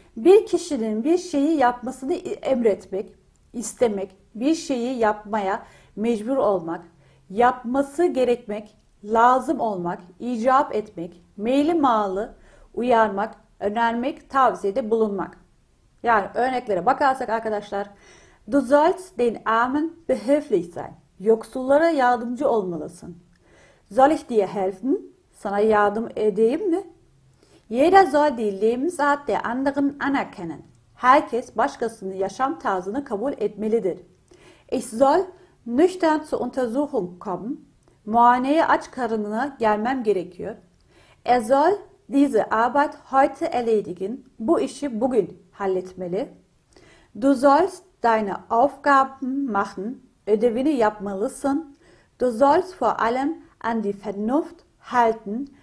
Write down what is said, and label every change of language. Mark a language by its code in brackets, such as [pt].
[tr] Bir kişinin bir şeyi yapmasını emretmek, istemek, bir şeyi yapmaya mecbur olmak, yapması gerekmek, lazım olmak, icap etmek, meyli malı uyarmak, önermek, tavsiyede bulunmak. Yani örneklere bakarsak arkadaşlar, [de] Du sollst den Armen behilflich sein. [tr] Yoksullara yardımcı olmalısın. [de] Soll ich dir helfen? [tr] Sana yardım edeyim mi? [de] Jeder soll die Lebensart der anderen anerkennen. [tr] Herkes başkasının yaşam tarzını kabul etmelidir. [de] Ich soll nüchtern zur Untersuchung kommen. [tr] Muayeneye aç karnına gelmem gerekiyor. [de] Soll diese Arbeit heute erledigen. [tr] Bu işi bugün halletmeli. [de] Du sollst deine Aufgaben machen. [tr] Ödevini yapmalısın. [de] Du sollst vor allem an die Vernunft halten.